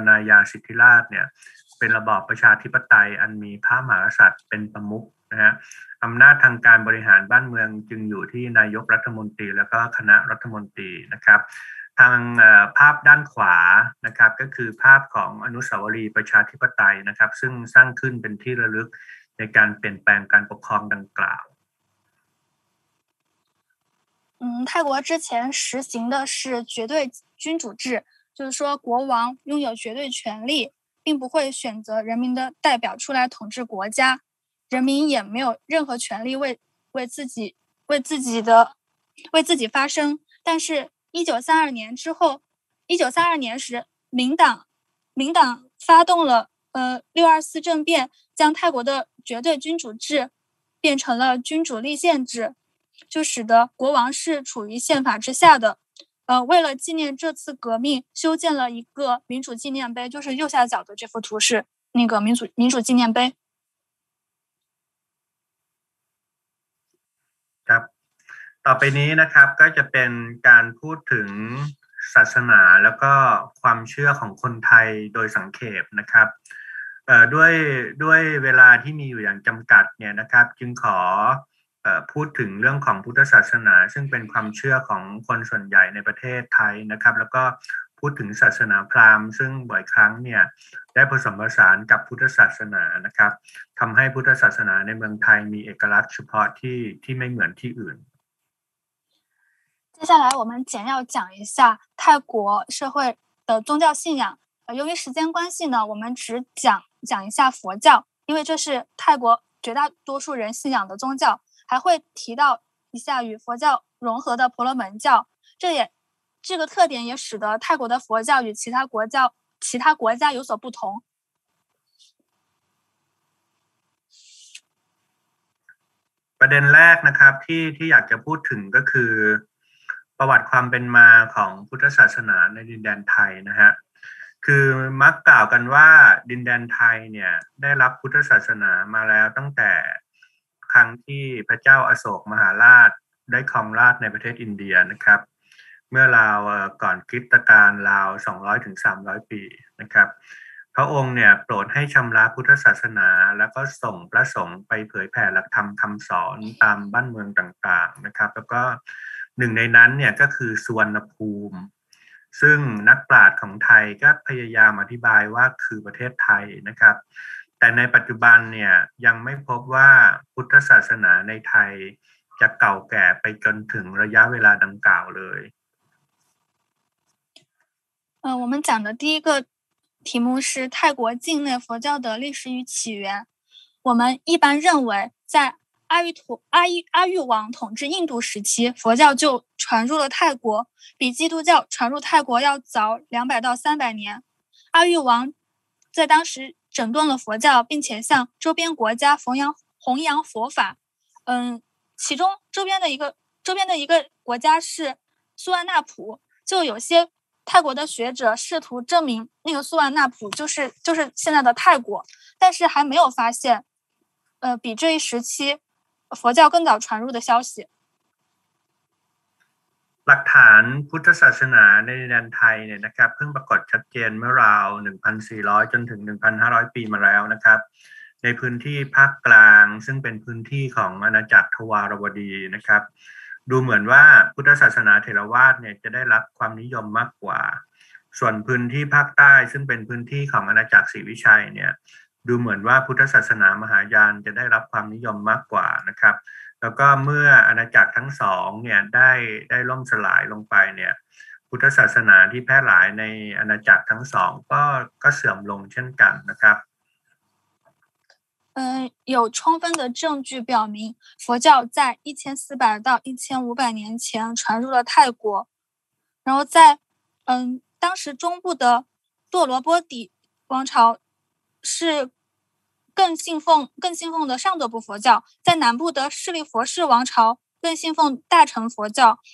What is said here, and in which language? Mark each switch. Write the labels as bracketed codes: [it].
[th] ญาสิทธิราชเนี่ยเป็นระบอบประชาธิปไตยอันมีพระมหากษัตริย์เป็นประมุขนะฮะอำนาจทางการบริหารบ้านเมืองจึงอยู่ที่นายกรัฐมนตรีแล้วก็คณะรัฐมนตรีนะครับทางภาพด้านขวานะครับก็คือภาพของอนุสาวรีย์ประชาธิปไตยนะครับซึ่งสร้างขึ้นเป็นที่ระลึกในการเปลี่ยนแปลงการปกครองดังกล่าว [zh] 泰国之前实行的是绝对君主制就是说国王拥有绝对权力并不会选择人民的代表出来统治国家，人民也没有任何权利为自己发声。但是1932年之后，1932年时，民党发动了624政变，将泰国的绝对君主制变成了君主立宪制，就使得国王是处于宪法之下的。为了纪念这次革命，修建了一个民主纪念碑，就是右下角的这幅图是那个民主纪念碑。 [th] ครับ ต่อไปนี้นะครับก็จะเป็นการพูดถึงศาสนาแล้วก็ความเชื่อของคนไทยโดยสังเขปนะครับด้วยเวลาที่มีอยู่อย่างจำกัดเนี่ยนะครับจึงขอ พูดถึงเรื่องของพุทธศาสนาซึ่งเป็นความเชื่อของคนส่วนใหญ่ในประเทศไทยนะครับแล้วก็พูดถึงศาสนาพราหมณ์ซึ่งบ่อยครั้งเนี่ยได้ผสมผสานกับพุทธศาสนานะครับทำให้พุทธศาสนาในเมืองไทยมีเอกลักษณ์เฉพาะที่ไม่เหมือนที่อื่น [zh] 接下来我们简要讲一下泰国社会的宗教信仰由于时间关系呢我们只讲一下佛教因为这是泰国绝大多数人信仰的宗教还会提到一下与佛教融合的婆罗门教，这个特点也使得泰国的佛教与其他国家有所不同。 [th] ประเด็นแรกนะครับที่อยากจะพูดถึงก็คือประวัติความเป็นมาของพุทธศาสนาในดินแดนไทยนะฮะคือมักกล่าวกันว่าดินแดนไทยเนี่ยได้รับพุทธศาสนามาแล้วตั้งแต่ ครั้งที่พระเจ้าอโศกมหาราชได้ครองราชในประเทศอินเดียนะครับเมื่อราวก่อนคริสตกาลราว200ถึง300ปีนะครับพระองค์เนี่ยโปรดให้ชำระพุทธศาสนาแล้วก็ส่งพระสงฆ์ไปเผยแผ่หลักธรรมคำสอนตามบ้านเมืองต่างๆนะครับแล้วก็หนึ่งในนั้นเนี่ยก็คือสุวรรณภูมิ ซึ่งนักปราชญ์ของไทยก็พยายามอธิบายว่าคือประเทศไทยนะครับแต่ในปัจจุบันเนี่ยยังไม่พบว่าพุทธศาสนาในไทยจะเก่าแก่ไปจนถึงระยะเวลาดังกล่าวเลย [zh] 我们讲的第一个题目是泰国境内佛教的历史与起源。我们一般认为在阿育王统治印度时期，佛教就传入了泰国，比基督教传入泰国要早200到300年。阿育王在当时整顿了佛教，并且向周边国家弘扬佛法。其中周边的一个国家是素万那普，就有些泰国的学者试图证明那个素万那普就是现在的泰国，但是还没有发现，比这一时期佛教更早传入的消息。 [th] หลักฐานพุทธศาสนาในดินแดนไทยเนี่ยนะครับเพิ่งปรากฏชัดเจนเมื่อราว1400จนถึง1500ปีมาแล้วนะครับในพื้นที่ภาคกลางซึ่งเป็นพื้นที่ของอาณาจักรทวารวดีนะครับดูเหมือนว่าพุทธศาสนาเถรวาทเนี่ยจะได้รับความนิยมมากกว่า ส่วนพื้นที่ภาคใต้ซึ่งเป็นพื้นที่ของอาณาจักรศรีวิชัยเนี่ยดูเหมือนว่าพุทธศาสนามหายานจะได้รับความนิยมมากกว่านะครับแล้วก็เมื่ออาณาจักรทั้งสองเนี่ยได้ล่มสลายลงไปเนี่ยพุทธศาสนาที่แพร่หลายในอาณาจักรทั้งสองก็เสื่อมลงเช่นกันนะครับ [zh] 有充分的证据表明佛教在1400到1500年前传入了泰国然后在当时中部的堕罗波底王朝是更信奉的上德部佛教，在南部的势力佛氏王朝更信奉大乘佛教。